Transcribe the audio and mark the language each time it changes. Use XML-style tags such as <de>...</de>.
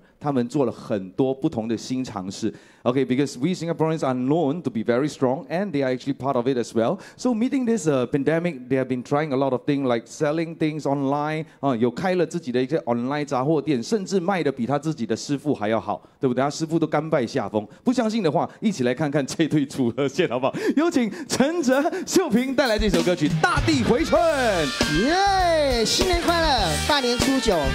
<zh>他们因为在疫境的当儿，他们做了很多不同的新尝试。</zh> <en>Okay, because we Singaporeans are known to be very strong, and they are actually part of it as well. So, meeting this pandemic, they have been trying a lot of things, like selling things online.</en> <zh>有开了自己的一些 online 杂货店，甚至卖的比他自己的师傅还要好，对不对？他师傅都甘拜下风。不相信的话，一起来看看这对组合，谢谢好不好？有请陈哲秀平带来这首歌曲《大地回春》。耶，新年快乐，大年初九。</zh>